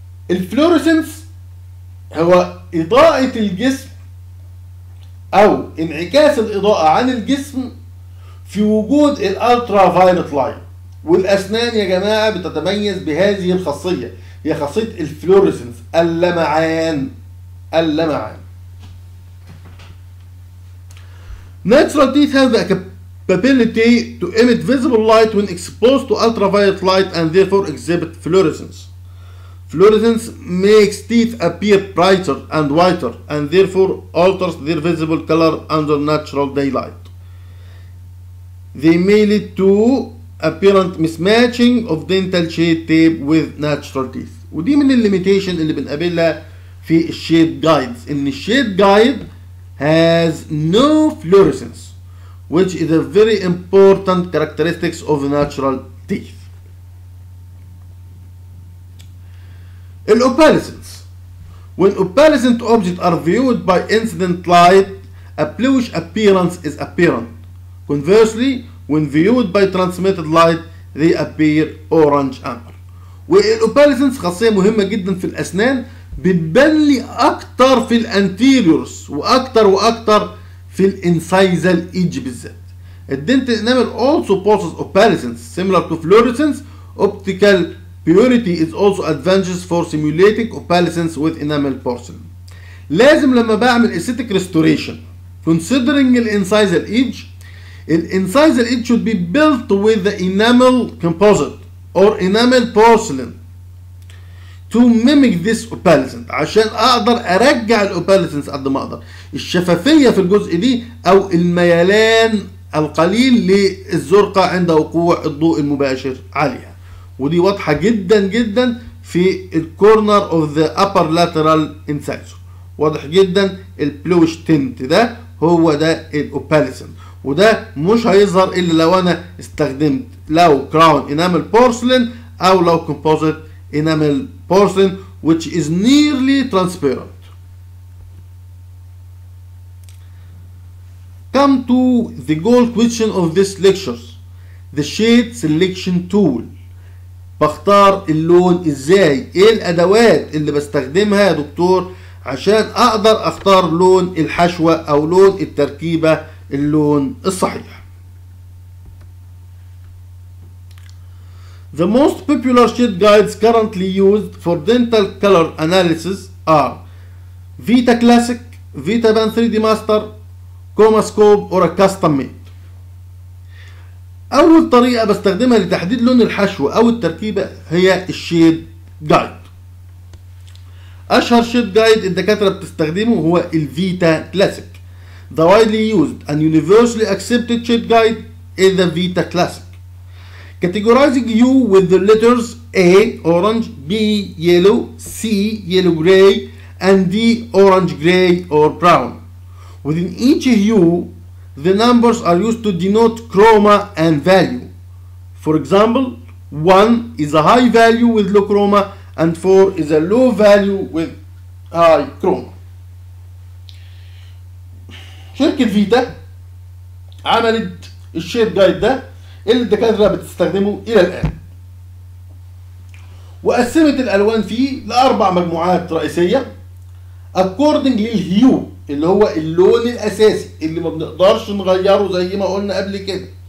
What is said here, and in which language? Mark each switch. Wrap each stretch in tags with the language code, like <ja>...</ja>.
<ar>الفلوريسنس هو إضاءة الجسم أو انعكاس الإضاءة عن الجسم في وجود الألترا فايلت لايت. والأسنان يا جماعة بتتميز بهذه الخاصية، هي خاصية الفلوريسنس، اللمعان، اللمعان.</ar> <en>Natural teeth have the capability to emit visible light when exposed to ultraviolet light and therefore exhibit fluorescence. Fluorescence makes teeth appear brighter and whiter and therefore alters their visible color under natural daylight. They may lead to apparent mismatching of dental shade tape with natural teeth.</en> <ar>ودي من الليميتيشن اللي بنقابلها في الشيد جايدز، ان الشيد جايد</ar> <en>has no fluorescence which is a very important characteristics of natural teeth. الاوباليسنس، when opalescent objects are viewed by incident light a bluish appearance is apparent. Conversely, when viewed by transmitted light they appear orange amber.</en> <ar>والاوباليسنس خاصية مهمة جدا في الاسنان، بتبان لي اكتر في الانتيريورز واكتر واكتر في الانسايزال ايج بالذات.</ar> <en>الدنتال enamel also possesses opalescence similar to fluorescence. Optical purity is also advantageous for simulating opalescence with enamel porcelain.</en> <ar>لازم لما بعمل</ar> <en>aesthetic restoration considering the incisal edge.</en> <ar>الانسايزال ايج</ar> <en>should be built with the enamel composite or enamel porcelain to mimic this opalescent</en> <ar>عشان اقدر ارجع الاوباليسنس قد ما اقدر، الشفافيه في الجزء دي او الميلان القليل للزرقه عند وقوع الضوء المباشر عليها. ودي واضحه جدا جدا في الكورنر اوف ذا ابر لاترال انسايزر، واضح جدا البلوش تنت ده هو ده الاوباليسنس، وده مش هيظهر الا لو انا استخدمت لو كراون انامل بورسلين او لو كومبوزيت</ar> <en>enamel porcelain which is nearly transparent. Come to the gold question of this lecture, the shade selection tool.</en> <ar>بختار اللون ازاي؟ ايه الادوات اللي بستخدمها يا دكتور عشان اقدر اختار لون الحشوة او لون التركيبة اللون الصحيح؟</ar> <en>The most popular shade guides currently used for dental color analysis are Vita Classic, Vita Band 3D Master, Comascope or a Custom Made.</en> <ar>اول طريقة بستخدمها لتحديد لون الحشوة او التركيبة هي الshade guide. اشهر shade guide الدكاترة بتستخدمه هو Vita Classic.</ar> <en>The widely used and universally accepted shade guide is the Vita Classic. Categorizing you with the letters A orange, B yellow, C yellow gray, and D orange gray or brown. Within each hue, the numbers are used to denote chroma and value. For example, 1 is a high value with low chroma, and 4 is a low value with high chroma.</en> <ar>شركة فيتا عملت الشيب جايد ده اللي الدكاترة بتستخدمه إلى الآن، وقسمت الألوان فيه لأربع مجموعات رئيسية according للهيو اللي هو اللون الأساسي اللي ما بنقدرش نغيره زي ما قلنا قبل كده.</ar>